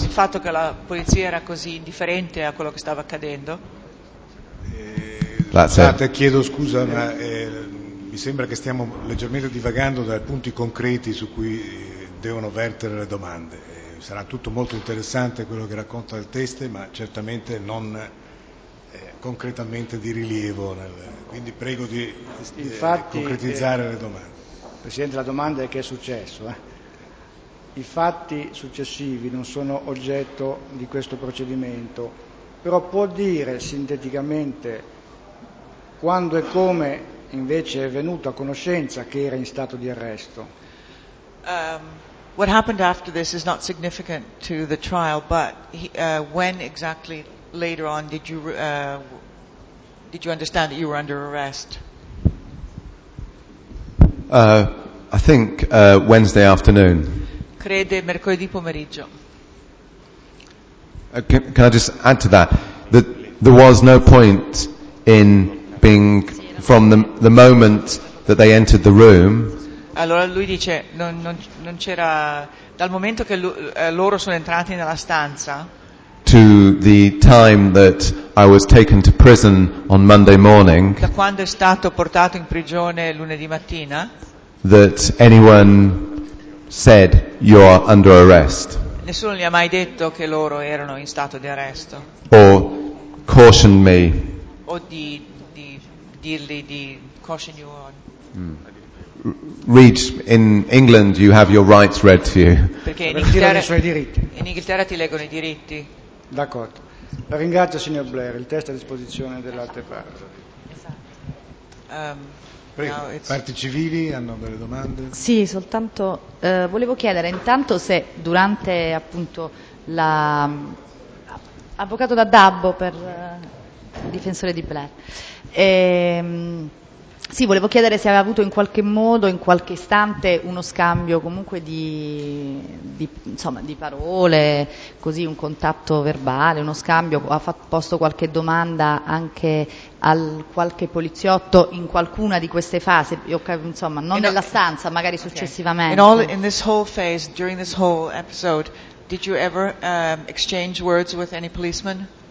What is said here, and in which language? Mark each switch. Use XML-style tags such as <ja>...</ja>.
<it>Il fatto che la polizia era così indifferente a quello che stava accadendo. Scusate, chiedo scusa, ma mi sembra che stiamo leggermente divagando dai punti concreti su cui devono vertere le domande. Sarà tutto molto interessante quello che racconta il teste, ma certamente non concretamente di rilievo. Quindi prego di concretizzare le domande. Presidente, la domanda è che è successo. I fatti successivi non sono oggetto di questo procedimento, però può dire sinteticamente quando e come invece è venuto a conoscenza che era in stato di arresto?</it> <en>What happened after this is not significant to the trial, but when exactly later on did you understand that you were under arrest? I think Wednesday afternoon.</en> <it>Crede mercoledì pomeriggio.</it> <en>Can I just add to that? That there was no point in being from the moment that they entered the room.</en> <it>Allora lui dice non c'era dal momento che loro sono entrati nella stanza.</it> <en>To the time that I was taken to prison on Monday morning.</en> <it>Da quando è stato portato in prigione lunedì mattina.</it> <en>That anyone said you are under arrest.</en> <it>Nessuno gli ha mai detto che loro erano in stato di arresto.</it> <en>Or cautioned me.</en> <it>O di dirgli di</it> <en>caution you on. Read in England you have your rights read to you.</en> <it>Perché in Inghilterra ti leggono i diritti. D'accordo. La ringrazio signor Blair, il testo è a disposizione dell'altra parte. Prego, parti civili hanno delle domande? Sì, soltanto volevo chiedere intanto se durante appunto la avvocato da Dabbo per difensore di Blair. Sì, volevo chiedere se aveva avuto in qualche modo, in qualche istante, uno scambio comunque di parole, così un contatto verbale, uno scambio, ha posto qualche domanda anche al qualche poliziotto in qualcuna di queste fasi, insomma, non nella stanza, magari successivamente.</it> <en>Okay. In this whole phase, during this whole episode, did you ever exchange words with any policeman?</en>